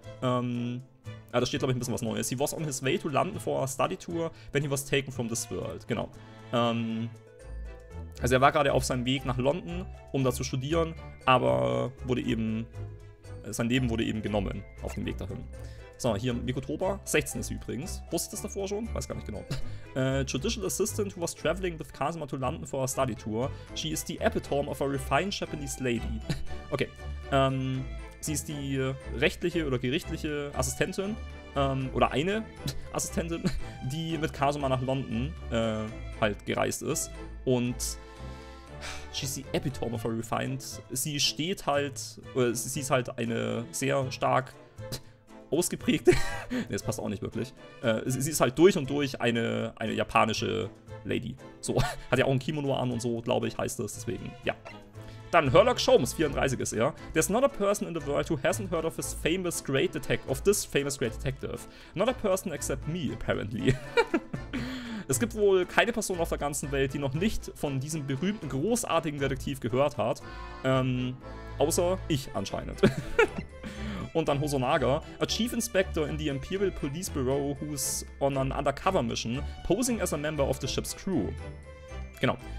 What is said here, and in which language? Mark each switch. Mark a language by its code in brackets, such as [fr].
[de] Ja, da steht, glaube ich, ein bisschen was Neues. [en] He was on his way to London for a study tour when he was taken from this world. [de] Genau. Also er war gerade auf seinem Weg nach London, um da zu studieren, aber wurde eben, sein Leben wurde eben genommen auf dem Weg dahin. So, hier Mikotoba, 16 ist übrigens. Wusste ich das davor schon? Weiß gar nicht genau. [en] Judicial assistant who was traveling with Kazuma to London for a study tour. She is the epitome of a refined Japanese lady. Okay. [de] Sie ist die rechtliche oder gerichtliche Assistentin, oder eine Assistentin, die mit Kazuma nach London halt gereist ist. Und [en] She's the epitome of a refined. [de] Sie steht halt, sie ist halt eine sehr stark ausgeprägte, ne, das passt auch nicht wirklich. Sie ist halt durch und durch eine japanische Lady. So, hat ja auch ein Kimono an und so, glaube ich, heißt das, deswegen, ja. Dann Herlock Sholmes, 34 ist er. [en] There's not a person in the world who hasn't heard of his famous great detective. Not a person except me, apparently. [de] Es gibt wohl keine Person auf der ganzen Welt, die noch nicht von diesem berühmten, großartigen Detektiv gehört hat. Außer ich anscheinend. Und dann [en] Hosonaga, a chief inspector in the Imperial Police Bureau who's on an undercover mission, posing as a member of the ship's crew. [de] Genau.